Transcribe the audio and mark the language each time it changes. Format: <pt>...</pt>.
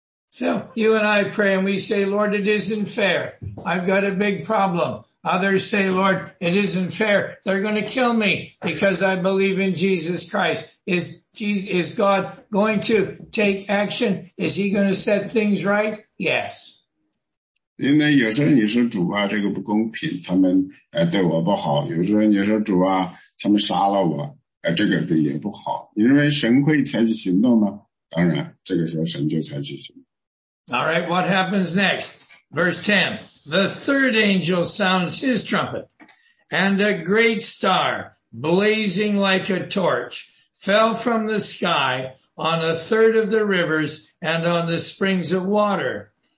<en>So you and I pray and we say, Lord, it isn't fair. I've got a big problem. Others say, Lord, it isn't fair. They're going to kill me because I believe in Jesus Christ. Is God going to take action? Is he going to set things right? Yes.</en> <zh>因为有时候你说主啊，这个不公平，他们对我不好。有时候你说主啊，他们杀了我，这个也不好。因为神会采取行动吗？当然，这个时候神就采取行动。</zh> <en>All right, what happens next? Verse 10. The third angel sounds his trumpet, and a great star, blazing like a torch, fell from the sky on a third of the rivers and on the springs of water.</en>